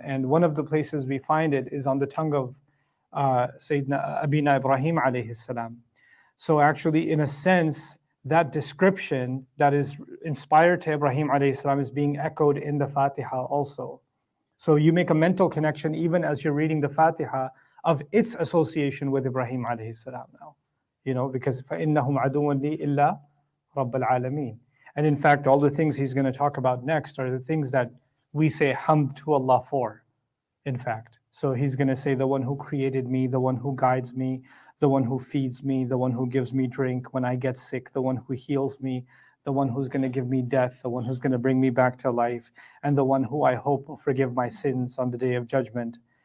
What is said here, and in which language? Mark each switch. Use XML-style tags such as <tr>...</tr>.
<en>And one of the places we find it is on the tongue of Sayyidina Abina Ibrahim ﷺ. So actually, in a sense, that description that is inspired to Ibrahim alayhi salam is being echoed in the Fatiha also. So you make a mental connection even as you're reading the Fatiha of its association with Ibrahim alayhi salam now. You know, because</en> <ar>فَإِنَّهُمْ عَدُوٌ لِي إِلَّا رَبَّ الْعَالَمِينَ.</ar> <en>And in fact, all the things he's going to talk about next are the things that we say hamd to Allah for, in fact. So he's going to say, the one who created me, the one who guides me, the one who feeds me, the one who gives me drink when I get sick, the one who heals me, the one who's going to give me death, the one who's going to bring me back to life, and the one who I hope will forgive my sins on the day of judgment.</en>